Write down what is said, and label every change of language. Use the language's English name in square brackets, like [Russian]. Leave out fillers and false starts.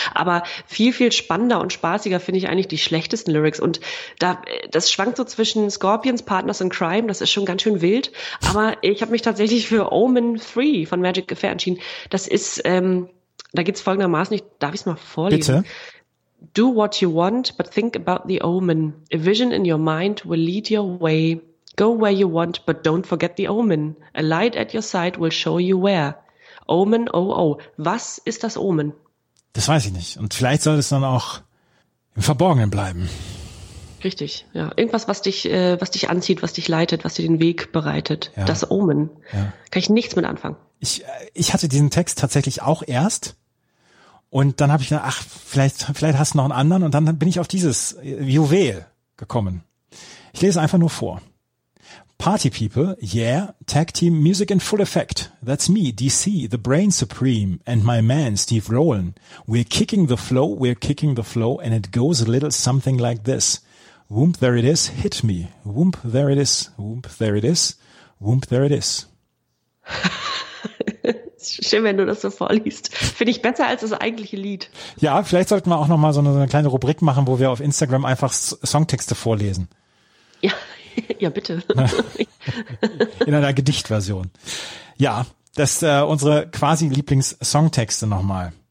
[German] Aber viel, viel spannender und spaßiger finde ich eigentlich die schlechtesten Lyrics. Und das schwankt so zwischen Scorpions, Partners in Crime, das ist schon ganz schön wild. Aber ich habe mich tatsächlich für Omen 3 von Magic Affair entschieden. Das ist, da geht es folgendermaßen, darf ich es mal vorlesen? Bitte. [English] Do what you want, but think about the omen. A vision in your mind will lead your way. Go where you want, but don't forget the omen. A light at your side will show you where. [German] Omen, oh, oh. Was ist das Omen? Das weiß ich nicht. Und vielleicht soll es dann auch im Verborgenen bleiben. Richtig, ja. Irgendwas, was dich anzieht, was dich leitet, was dir den Weg bereitet. Ja. Das Omen. Ja. Kann ich nichts mit anfangen. Ich hatte diesen Text tatsächlich auch erst. Und dann habe ich gedacht, ach, vielleicht hast du noch einen anderen. Und dann bin ich auf dieses Juwel gekommen. Ich lese einfach nur vor. [English] Party people, yeah, tag team music in full effect. That's me, DC, the brain supreme, and my man, Steve Rowland. We're kicking the flow, and it goes a little something like this. Whoomp, there it is, hit me. Whoomp, there it is, whoomp, there it is, whoomp, there it is. [German] Schön, wenn du das so vorliest. Finde ich besser als das eigentliche Lied. Ja, vielleicht sollten wir auch nochmal so eine kleine Rubrik machen, wo wir auf Instagram einfach Songtexte vorlesen. Ja, bitte. In einer Gedichtversion. Ja, das unsere quasi Lieblings-Songtexte nochmal.